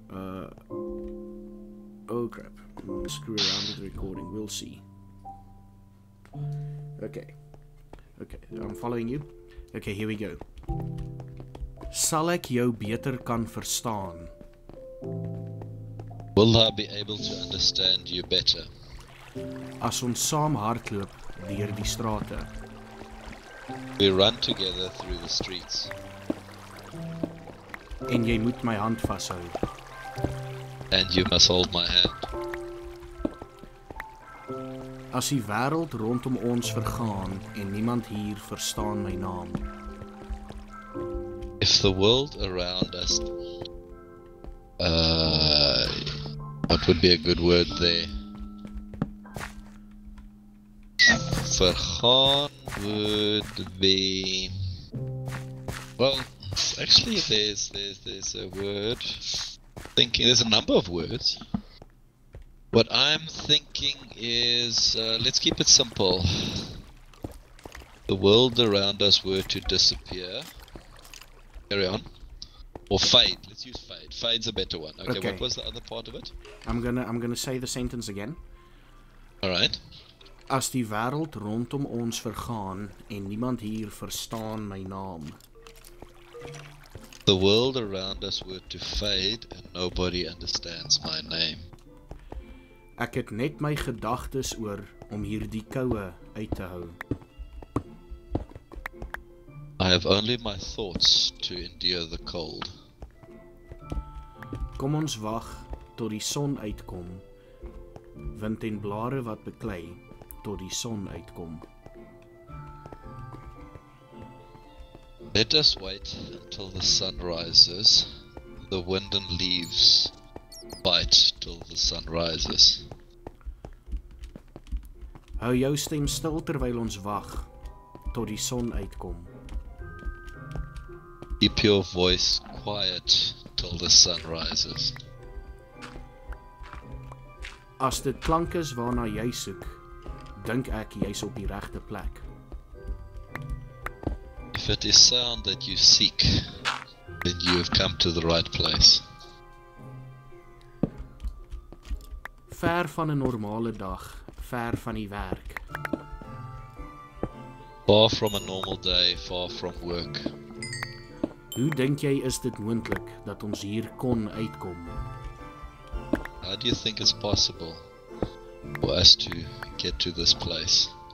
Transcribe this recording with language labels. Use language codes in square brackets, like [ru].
[en] I'm gonna screw around with the recording, we'll see. Okay, I'm following you. Okay, here we go. [af] Sal ek jou beter kan verstaan. [en] Will I be able to understand you better? [af] As ons saam hardloop deur die strate. [en] We run together through the streets. [af] En jy moet my hand vashou. [en] And you must hold my hand. [af] As die wêreld rondom ons vergaan en niemand hier verstaan my naam. [en] If the world around us, what would be a good word there? Vergaan would be, well, actually there's a word, thinking, there's a number of words. What I'm thinking is, let's keep it simple. The world around us were to disappear. Carry on. Or fade. Let's use fade. Fade's a better one. Okay, what was the other part of it? I'm gonna say the sentence again. Alright. [af] As die wereld rondom ons vergaan en niemand hier verstaan my naam. [en] The world around us were to fade and nobody understands my name. [af] Ek het net my gedagtes oor om hierdie koue uit te hou. [en] I have only my thoughts to endure the cold. [af] Kom ons wag tot die son uitkom. Wind en blare wat beklei tot die son uitkom. [en] Let us wait until the sun rises. The wind and leaves bite till the sun rises. [af] Hou jou stem stil terwyl ons wag tot die son uitkom. [en] Keep your voice quiet till the sun rises. [af] As dit klank is waarna jy soek, dink ek jy's op die regte plek. [en] If it is sound that you seek, then you have come to the right place. [af] Ver van 'n normale dag, ver van die werk. [en] Far from a normal day, far from work. [af] Hoe dink jy is dit moontlik dat ons hier kon uitkom? [en] How do you think it's possible for us to get to this place?